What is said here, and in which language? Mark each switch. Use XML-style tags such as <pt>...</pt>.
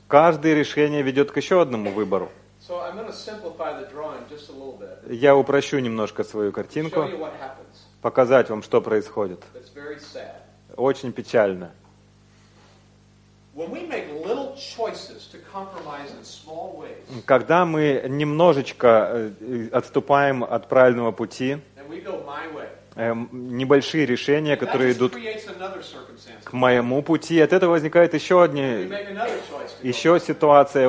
<ru>Каждое решение ведет к еще одному выбору.</ru> <en>So I'm going to simplify the drawing just a little bit.</en> <ru>Я упрощу немножко свою картинку,</ru> <en>show you what happens.</en> <ru>Показать вам, что происходит.</ru> <en>It's very sad.</en> <ru>Очень печально.</ru> <en>When we make little choices to compromise in small ways,</en> <ru>когда мы немножечко отступаем от правильного пути,</ru> <en>and we go my way,</en> <ru>небольшие решения, которые идут к моему пути. От этого возникает еще ситуация.</ru>